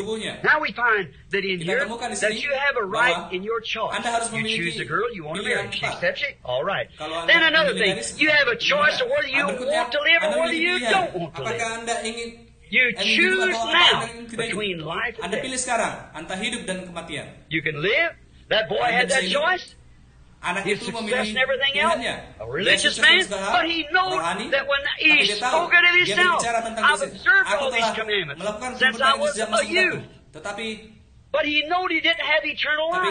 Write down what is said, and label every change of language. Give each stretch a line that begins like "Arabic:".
Indonesian: Tubuhnya.
English: Now we find that in here that you have a right in your choice. You choose a girl you want to marry. She accepts it. All right. Then another thing. You have a choice of whether you want to live or whether you don't want to live. You choose now between life and death.
Indonesian: Anda pilih sekarang antara hidup dan kematian.
English: You can live. That boy had that choice.
Indonesian: Anak itu
English: success and everything else. A religious man. But he knows
Indonesian: rohani,
English: that when he spoke to himself, I've observed all these commandments since I was a youth.
Indonesian: Tetapi,
English: but he knew he didn't have eternal life.